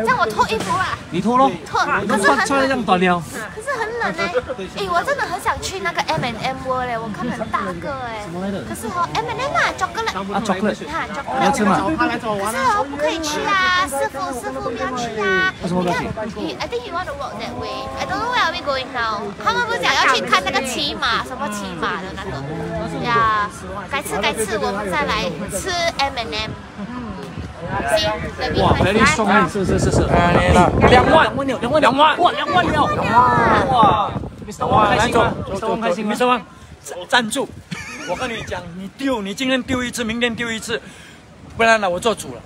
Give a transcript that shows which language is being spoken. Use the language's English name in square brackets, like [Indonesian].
[Chinese] 让我脱衣服啊！你脱喽，脱。可是穿这样短了。可是很冷嘞，哎，我真的很想去那个 M&M World 嘞，我看很大个哎。什么来的？可是哦 M&M 啊 ，chocolate 啊 ，chocolate， 你要吃吗？可是哦，不可以去啊，师傅不要去啊。为什么不要去？ [English] I think you want to walk that way. I don't know where are we going now. [Chinese] 他们不是讲要去看那个骑马，什么骑马的那个？呀，改次我们再来吃 M&M。哇，美丽双人，是，两万六，哇，Mr. Wang，赞助，我跟你讲，你丢，你今天丢一次，明天丢一次，不然呢，我做主了